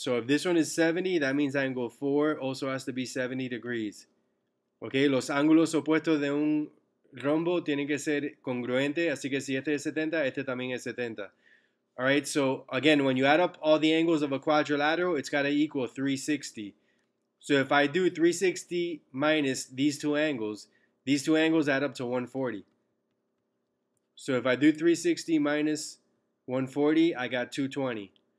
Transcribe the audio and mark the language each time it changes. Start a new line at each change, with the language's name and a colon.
English: So if this one is 70, that means angle 4 also has to be 70 degrees.
Spanish: Okay, los ángulos opuestos de un rombo tienen que ser congruentes, así que si este es 70, este también es 70.
English: All right, so again, when you add up all the angles of a quadrilateral, it's got to equal 360. So if I do 360 minus these two angles add up to 140. So if I do 360 minus 140, I got 220.